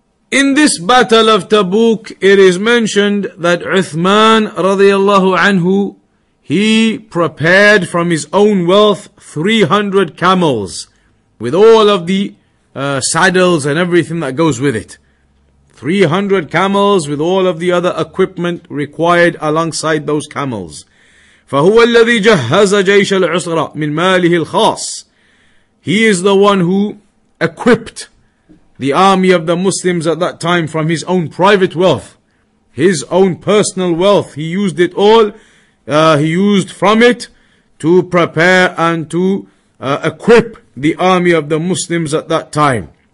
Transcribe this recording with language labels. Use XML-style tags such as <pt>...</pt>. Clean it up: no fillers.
<en>In this battle of Tabuk, it is mentioned that Uthman radiallahu anhu, he prepared from his own wealth 300 camels with all of the saddles and everything that goes with it. 300 camels with all of the other equipment required alongside those camels.</en> <ar>فَهُوَ الَّذِي جَهَّزَ جَيْشَ الْعُسْرَةِ مِنْ مَالِهِ الْخَاصِ.</ar> <en>He is the one who equipped the army of the Muslims at that time from his own private wealth, his own personal wealth. He used it all, he used from it to prepare and to equip the army of the Muslims at that time.</en>